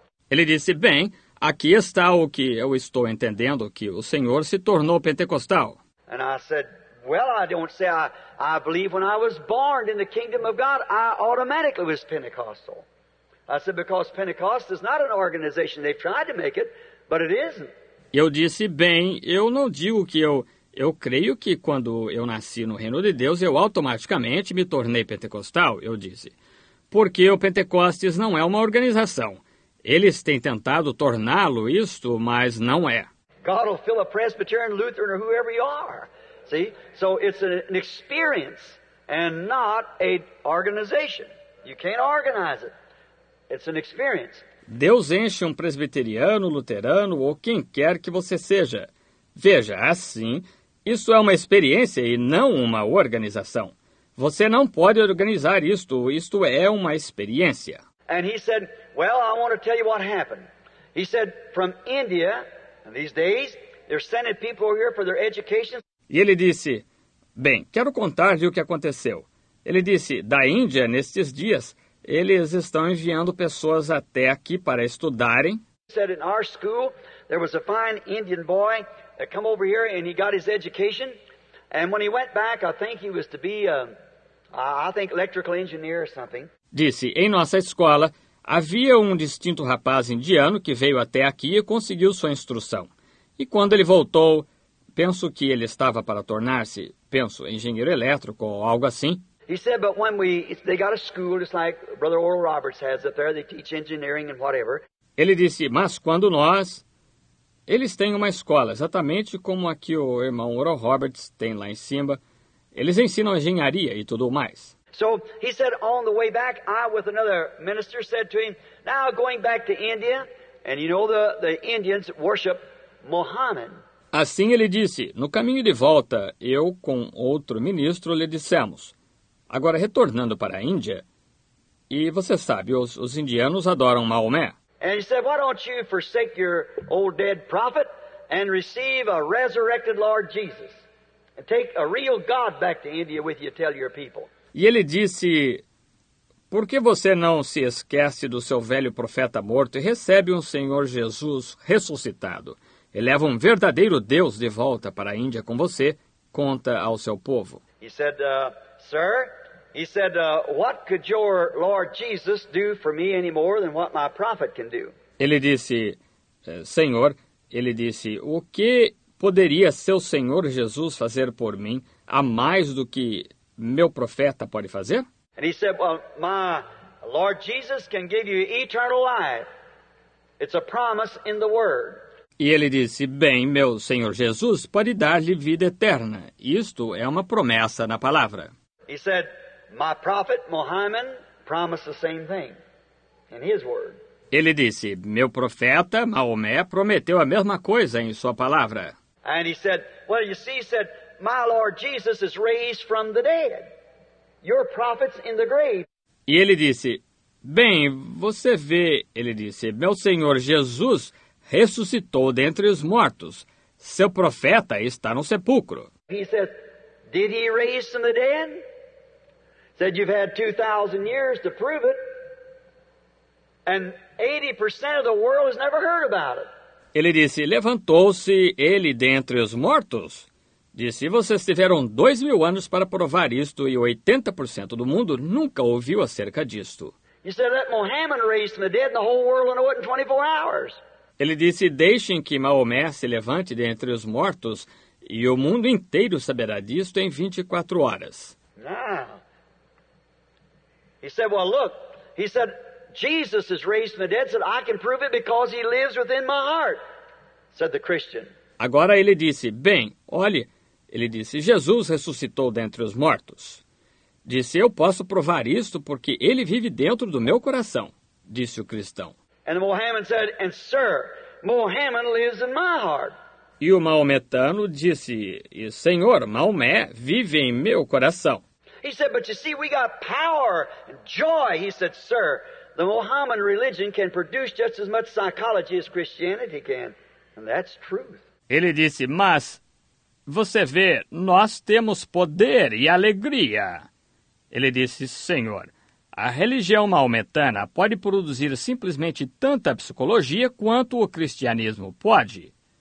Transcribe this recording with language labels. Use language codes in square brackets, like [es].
[pt] Ele disse, bem, aqui está o que eu estou entendendo, que o Senhor se tornou pentecostal. [en] And I said, well, I don't say I believe when I was born in the kingdom of God, I automatically was Pentecostal. I said, because Pentecost is not an organization. They've tried to make it, but it isn't. [pt] Eu disse, bem, eu não digo que eu creio que quando eu nasci no reino de Deus, eu automaticamente me tornei Pentecostal, eu disse. Porque o Pentecostes não é uma organização. Eles têm tentado torná-lo isto, mas não é. [en] God will fill a Presbyterian, Lutheran, or whoever you are. See? So it's an experience and not a organization. You can't organize it. It's an experience. [pt] Deus enche um presbiteriano, luterano, ou quem quer que você seja. Veja, assim, isso é uma experiência e não uma organização. Você não pode organizar isto. Isto é uma experiência. [en] And he said, well, I want to tell you what happened. He said, from India... And these days, they're sending people here for their education. [pt] E ele disse, bem, quero contar-lhe o que aconteceu. Ele disse, da Índia, nestes dias, eles estão enviando pessoas até aqui para estudarem. [en] He said, in our school, there was a fine Indian boy that came over here and he got his education. And when he went back, I think he was to be, electrical engineer or something. [pt] Disse, em nossa escola... Havia um distinto rapaz indiano que veio até aqui e conseguiu sua instrução. E quando ele voltou, penso que ele estava para tornar-se, engenheiro elétrico ou algo assim. [en] He said, but when they got a school, just like Brother Oral Roberts has up there, they teach engineering and whatever. [pt] Ele disse, mas quando nós... Eles têm uma escola, exatamente como a que o irmão Oral Roberts tem lá em cima. Eles ensinam engenharia e tudo mais. [en] So he said, on the way back, I, with another minister, said to him, now going back to India, and you know the Indians worship Muhammad. [pt] Assim ele disse, no caminho de volta, eu com outro ministro lhe dissemos, agora retornando para a Índia, e você sabe, os indianos adoram Maomé. [en] And he said, why don't you forsake your old dead prophet and receive a resurrected Lord Jesus and take a real God back to India with you, tell your people. [pt] E ele disse, por que você não se esquece do seu velho profeta morto e recebe um Senhor Jesus ressuscitado? E leva um verdadeiro Deus de volta para a Índia com você, conta ao seu povo. [en] He said, sir, he said, what could your Lord Jesus do for me any more than what my prophet can do? [pt] Ele disse, Senhor, ele disse, o que poderia seu Senhor Jesus fazer por mim a mais do que... meu profeta pode fazer? [en] And he said, well, my Lord Jesus can give you eternal life. It's a promise in the Word. [pt] E ele disse, bem, meu Senhor Jesus pode dar-lhe vida eterna. Isto é uma promessa na palavra. [en] He said, my prophet Muhammad promised the same thing in his Word. [pt] Ele disse, meu profeta Maomé prometeu a mesma coisa em sua palavra. [en] And he said, well, you see, he said, my Lord Jesus is raised from the dead. Your prophet's in the grave. [pt] E ele disse, bem, você vê, ele disse, meu Senhor Jesus ressuscitou dentre os mortos. Seu profeta está no sepulcro. [en] He said, did he raise from the dead? Said, you've had 2,000 years to prove it. And 80% of the world has never heard about it. [pt] Ele disse, levantou-se ele dentre os mortos? Disse, vocês tiveram 2,000 anos para provar isto e 80% do mundo nunca ouviu acerca disto. [en] He said, let Muhammad raise from the dead and the whole world will know it in 24 hours. [pt] Ele disse: deixem que Maomé se levante de entre os mortos, e o mundo inteiro saberá disto em 24 horas. [en] He said, well, look, he said, Jesus is raised from the dead, said, I can prove it because he lives within my heart, said the Christian. [pt] Agora ele disse, bem, olhe, ele disse, Jesus ressuscitou dentre os mortos. Disse, eu posso provar isto porque ele vive dentro do meu coração, disse o cristão. [en] And the Mohammedan said, and sir, Mohammed lives in my heart. [pt] E o maometano disse, e senhor, Maomé vive em meu coração. [en] He said, but you see, we got power and joy. He said, sir, the Mohammedan religion can produce just as much psychology as Christianity can. And that's truth. [pt] Ele disse, mas você vê, nós temos poder e alegria. Ele disse, senhor, a religião maometana pode produzir simplesmente tanta psicologia quanto o cristianismo pode.